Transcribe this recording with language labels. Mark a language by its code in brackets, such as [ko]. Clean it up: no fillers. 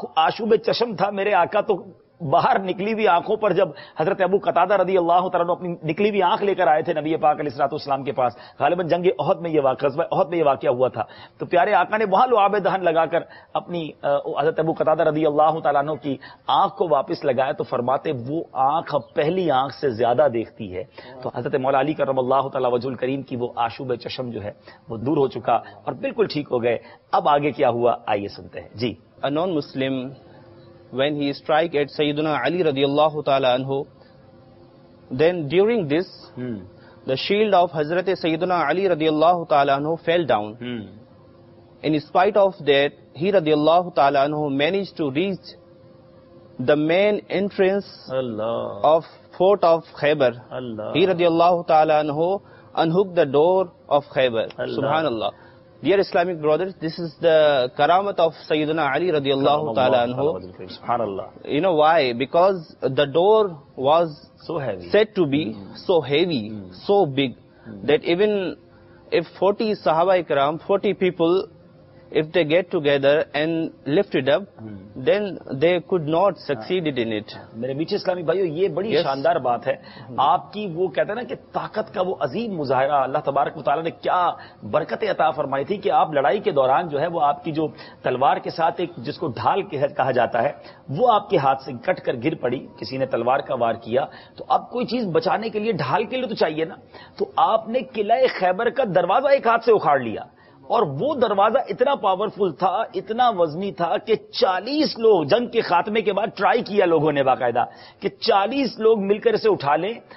[ur] آشوب چشم تھا میرے آقا تو باہر نکلی ہوئی آنکھوں پر جب حضرت ابو قتادہ رضی اللہ تعالیٰ عنہ اپنی نکلی ہوئی آنکھ لے کر آئے تھے نبی پاک علیہ الصلوۃ والسلام کے پاس غالباً جنگ احد میں یہ واقعہ احد میں یہ واقعہ ہوا تھا تو پیارے آقا نے وہاں لعاب دہن لگا کر اپنی حضرت ابو قتادہ رضی اللہ تعالیٰ عنہ کی آنکھ کو واپس لگایا تو فرماتے وہ آنکھ اب پہلی آنکھ سے زیادہ دیکھتی ہے تو حضرت مولا علی کرم اللہ تعالیٰ وجہ الکریم کی وہ آشوب چشم جو ہے وہ دور ہو چکا اور بالکل ٹھیک ہو گئے اب آگے کیا ہوا آئیے سنتے ہیں جی [en] Non Muslim when he strike at Sayyiduna Ali radiallahu ta'ala anhu, then during this, the shield of Hazrat Sayyiduna Ali radiallahu ta'ala anhu fell down. In spite of that, he radiallahu ta'ala anhu managed to reach the main entrance of fort of Khaybar. He radiallahu ta'ala anhu unhooked the door of Khaybar. Subhanallah. Dear Islamic brothers, this is the karamat of Sayyiduna Ali radiallahu ta'ala anhu. Subhanallah. You know why? Because the door was so heavy, said to be so heavy, so big, that even if 40 sahaba ikram, 40 people, if they get together and lift it up, then they could not succeed in it. [ur] میرے میٹھے اسلامی بھائیو یہ بڑی شاندار بات ہے آپ کی وہ کہتا ہے نا کہ طاقت کا وہ عظیم مظاہرہ اللہ تبارک و تعالیٰ نے کیا برکت عطا فرمائی تھی کہ آپ لڑائی کے دوران جو ہے وہ آپ کی جو تلوار کے ساتھ ایک جس کو ڈھال کہا جاتا ہے وہ آپ کے ہاتھ سے کٹ کر گر پڑی کسی نے تلوار کا وار کیا تو اب کوئی چیز بچانے کے لیے ڈھال کے لیے تو چاہیے نا تو آپ نے قلعہ خیبر کا دروازہ ایک ہاتھ سے اکھاڑ لیا اور وہ دروازہ اتنا پاورفل تھا اتنا وزنی تھا کہ 40 لوگ جنگ کے خاتمے کے بعد ٹرائی کیا لوگوں نے باقاعدہ کہ 40 لوگ مل کر اسے اٹھا لیں